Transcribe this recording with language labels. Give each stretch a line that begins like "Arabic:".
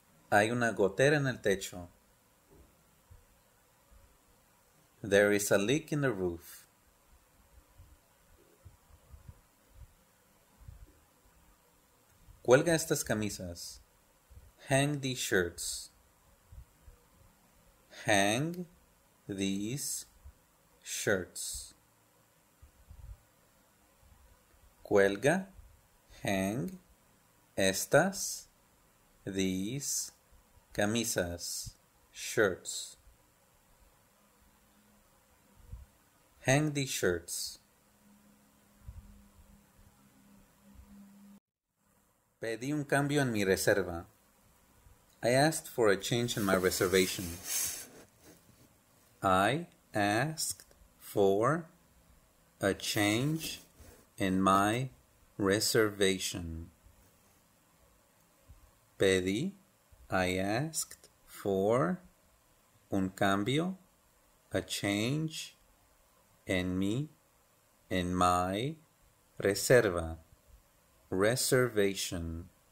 Spanish: Hay una gotera en el techo.
English: There is a leak in the roof.
Spanish: Cuelga estas camisas.
English: Hang these shirts. Hang these shirts.
Spanish: Cuelga, hang, estas, these, camisas, shirts.
English: Hang these shirts.
Spanish: Pedí un cambio en mi reserva.
English: I asked for a change in my reservation. I asked for a change in my reservation. Pedí, I asked for
Spanish: un cambio,
English: a change
Spanish: en mi,
English: in my reserva, reservation.